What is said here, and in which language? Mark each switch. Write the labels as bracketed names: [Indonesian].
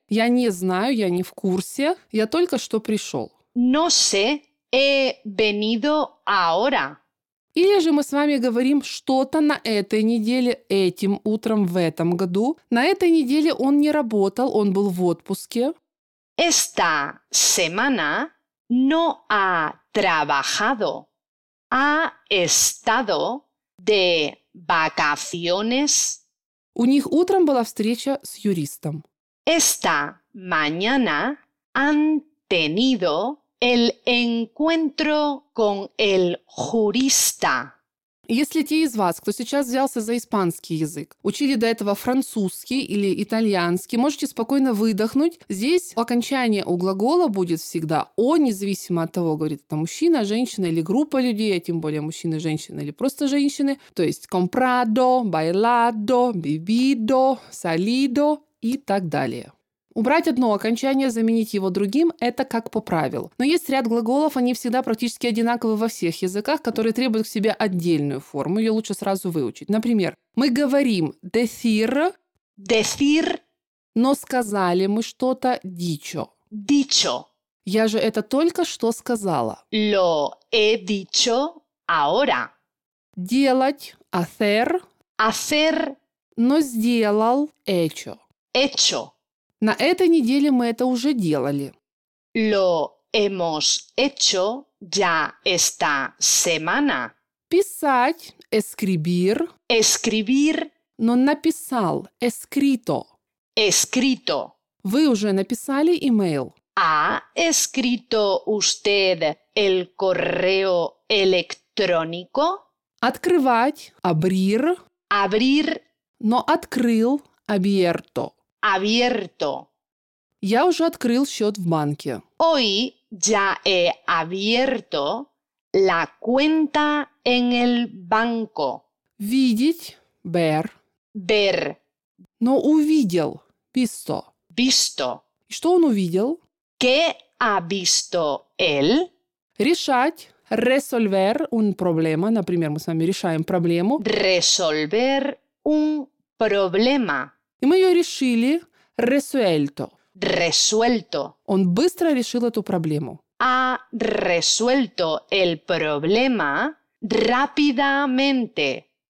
[Russian] Я не знаю, я не в курсе. Я только что пришел. [Spanish] No sé, he venido ahora. [Russian] Или же мы с вами говорим что-то на этой неделе, этим утром, в этом году. На этой неделе он не работал, он был в отпуске. [Spanish] Esta semana no ha trabajado. Ha estado de vacaciones. [Russian] У них утром была встреча с юристом. [Spanish] Esta mañana han tenido el encuentro con el jurista. [Russian] Если те из вас, кто сейчас взялся за испанский язык, учили до этого французский или итальянский, можете спокойно выдохнуть. Здесь окончание у глагола будет всегда «о», независимо от того, говорит это мужчина, женщина или группа людей, а тем более мужчины, женщины или просто женщины. То есть «comprado», «bailado», «vivido», «salido» и так далее. Убрать одно окончание, заменить его другим – это как по правилу. Но есть ряд глаголов, они всегда практически одинаковы во всех языках, которые требуют к себе отдельную форму, ее лучше сразу выучить. Например, мы говорим decir, [Spanish] decir, [Russian] но сказали мы что-то dicho. [Spanish] Dicho. [Russian] Я же это только что сказала. [Spanish] Lo he dicho ahora. [Russian] Делать – hacer. [Spanish] Hacer. [Russian] Но сделал – hecho. [Spanish] Hecho. [Russian] На этой неделе мы это уже делали. [Spanish] Lo hemos hecho ya esta semana. [Russian] Писать – escribir. [Spanish] Escribir. [Russian] Но написал – escrito. [Spanish] Escrito. [Russian] Вы уже написали email. [Spanish] Ha escrito usted el correo electrónico? [Russian] Открывать – abrir. [Spanish] Abrir. [Russian] Но открыл – abierto. [Spanish] Abierto. [Russian] Я уже открыл счет в банке. [Spanish] Hoy ya he abierto la cuenta en el banco. [Russian] Видеть – ver. [Spanish] Ver. [Russian] Но увидел – visto. [Spanish] Visto. [Russian] И что он увидел? [Spanish] ¿Qué ha visto él? [Russian] Решать [Spanish] – resolver un problema. [Russian] Например, мы с вами решаем проблему. [Spanish] Resolver un problema. [Russian] И мы ее решили resuelto. [Spanish] Resuelto. [Russian] Он быстро решил эту проблему. [Spanish] Ha resuelto el problema rápidamente.